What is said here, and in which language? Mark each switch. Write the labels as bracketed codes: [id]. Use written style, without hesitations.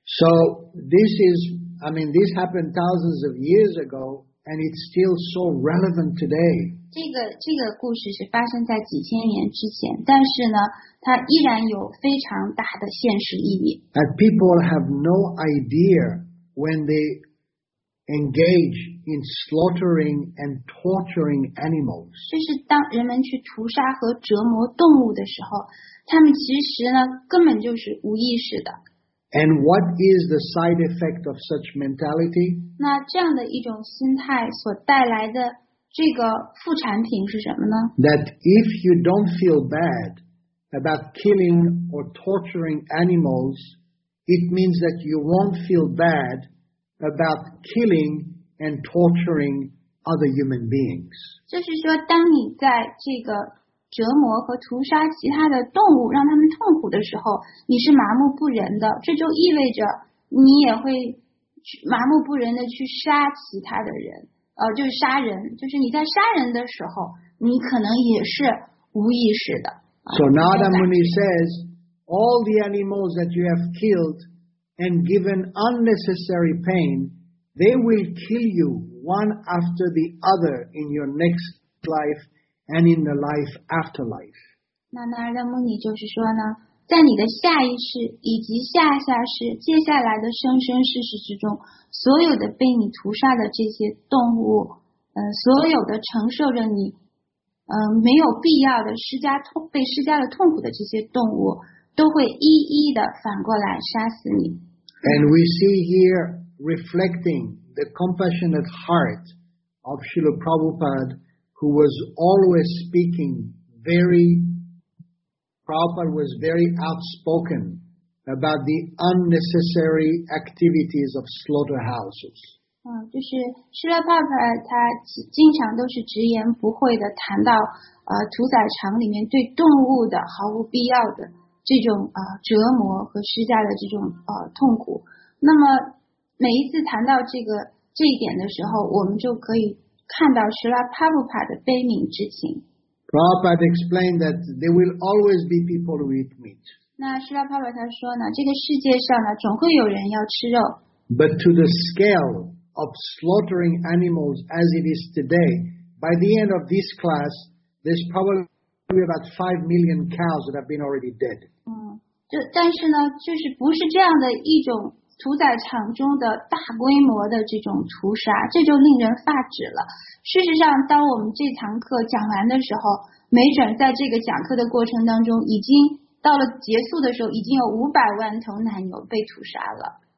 [en] So this is this happened thousands of years ago and it's still so relevant today. [zh] 这个故事是发生在几千年之前，但是呢它依然有非常大的现实意义。 [en] And people have no idea when they engage in slaughtering and torturing animals. [zh] 就是当人们去屠杀和折磨动物的时候，他们其实呢根本就是无意识的。 [en] And what is the side effect of such mentality? [zh] 那这样的一种心态所带来的这个副产品是什么呢？ [en] That if you don't feel bad about killing or torturing animals, it means that you won't feel bad about killing and torturing other human beings. [zh] 就是说，当你在这个折磨和屠杀其他的动物，让他们痛苦的时候，你是麻木不仁的，这就意味着你也会麻木不仁的去杀其他的人。就是杀人，就是你在杀人的时候，你可能也是无意识的。 [en] So Narada Muni says, all the animals that you have killed and given unnecessary pain, they will kill you one after the other in your next life and in the life after life. [zh] 那那儿的梦里就是说呢，在你的下一世以及下下世，接下来的生生世世之中，所有的被你屠杀的这些动物，所有的承受着你，没有必要的施加痛，被施加了痛苦的这些动物，都会一一的反过来杀死你。 [en] And we see here reflecting the compassionate heart of Srila Prabhupada, who was always speaking very, Prabhupada was very outspoken about the unnecessary activities of slaughterhouses. [zh] 就是 Srila Prabhupada 他经常都是直言不讳的谈到屠宰场里面对动物的毫无必要的这种折磨和施加的这种痛苦。那么每一次谈到这一点的时候，我们就可以看到 Srila Prabhupada 的悲悯之情。 [en] Prabhupada explained that there will always be people who eat meat. [zh] 那 Srila Prabhupada 他说呢，这个世界上呢，总会有人要吃肉。 [en] But to the scale of slaughtering animals as it is today, by the end of this class, there's probably about 5 million cows that have been already dead. [zh] 但是呢，就是不是这样的一种屠宰场中的大规模的这种屠杀，这就令人发指了。事实上，当我们这堂课讲完的时候，没准在这个讲课的过程当中，已经到了结束的时候，已经有500万头奶牛被屠杀了。